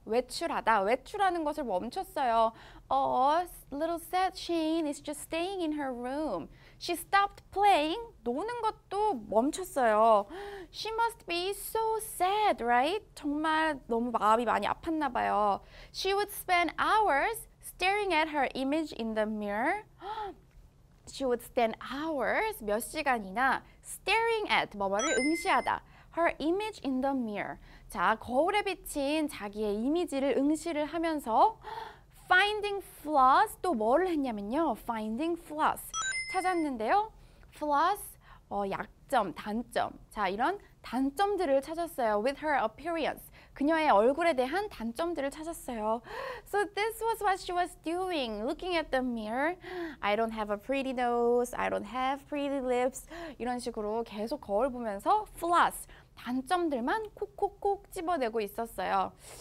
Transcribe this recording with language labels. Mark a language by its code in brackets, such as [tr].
[ko] 외출하다, 외출하는 것을 멈췄어요. [en] Little sad Shane is just staying in her room. She stopped playing. [ko] 노는 것도 멈췄어요. [en] She must be so sad, right? [ko] 정말 너무 마음이 많이 아팠나 봐요. [en] She would spend hours staring at her image in the mirror. She would stand hours, [ko] 몇 시간이나 [en] staring at, [ko] 뭐뭐를 응시하다. [en] Her image in the mirror. [ko] 자, 거울에 비친 자기의 이미지를 응시를 하면서 [en] finding flaws, [ko] 또 뭐를 했냐면요. [en] Finding flaws, [ko] 찾았는데요. [en] Flaws, [ko] 약점, 단점. 자, 이런 단점들을 찾았어요. [en] With her appearance. [ko] 그녀의 얼굴에 대한 단점들을 찾았어요. [en] So this was what she was doing, looking at the mirror. I don't have a pretty nose, I don't have pretty lips. [ko] 이런 식으로 계속 거울 보면서 flaws, 단점들만 콕콕콕 집어내고 있었어요.